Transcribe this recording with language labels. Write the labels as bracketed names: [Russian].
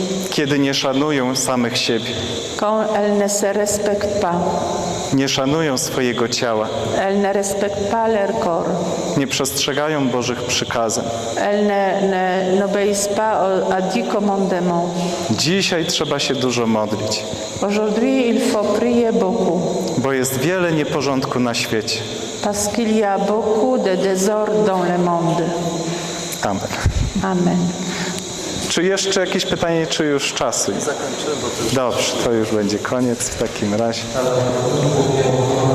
[Polish] Kiedy nie szanują samych siebie. [French] Quand elles ne se respectent pas. [Polish] Nie szanują swojego ciała. [French] Elles ne respectent pas leur corps. [Polish] Nie przestrzegają Bożych przykazań. [French] Elles n'obéissent pas aux dix commandements. [Polish] Dzisiaj trzeba się dużo modlić. [French] Aujourd'hui il faut prier beaucoup. [Polish] Bo jest wiele nieporządku na świecie. [French] Parce qu'il y a beaucoup de désordre dans le monde. [Polish] Amen. [French] Amen. [Polish] Czy jeszcze jakieś pytanie, czy już czasu? Zakończyłem, bo to już... Dobrze, to już będzie koniec w takim razie.